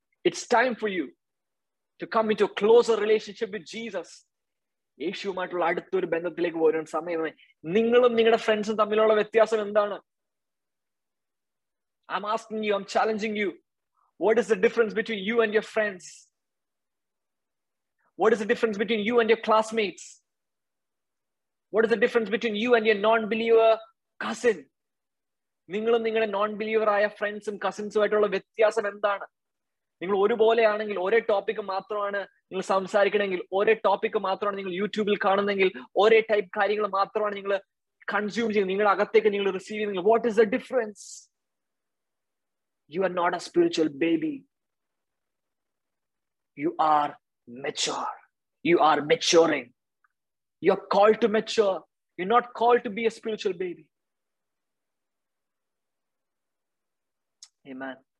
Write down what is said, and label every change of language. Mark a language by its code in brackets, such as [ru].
[en] It's time for you to come in to a closer relationship with Jesus. [ml] യേശുവുമായിട്ടുള്ള അടുത്തൊരു ബന്ധത്തിലേക്ക് വരാൻ സമയമായി. നിങ്ങളും നിങ്ങളുടെ ഫ്രണ്ട്സും തമ്മിലുള്ള വ്യത്യാസം എന്താണ്? [en] I'm asking you, I'm challenging you, what is the difference between you and your friends? What is the difference between you and your classmates? What is the difference between you and your non-believer cousin? [ml] ningalum ningale non-believer aaya friends um cousins um aayittulla vyathyasam endana? നിങ്ങൾ ഒരുപോലെയാണെങ്കിൽ ഒരേ topic മാത്രമാണ് നിങ്ങൾ സംസാരിക്കണമെങ്കിൽ ഒരേ topic മാത്രമാണ് നിങ്ങൾ യൂട്യൂബിൽ കാണുന്നതെങ്കിൽ ഒരേ ടൈപ്പ് കാര്യങ്ങൾ മാത്രമാണ് നിങ്ങൾ കൺസ്യൂം ചെയ്യുന്നത് നിങ്ങളുടെ അകത്തേക്ക് നിങ്ങൾ റിസീവ് ചെയ്യുന്നത് [en] what is the difference you are not a spiritual baby you are mature you are maturing you are called to mature you are not called to be a spiritual baby ആമേൻ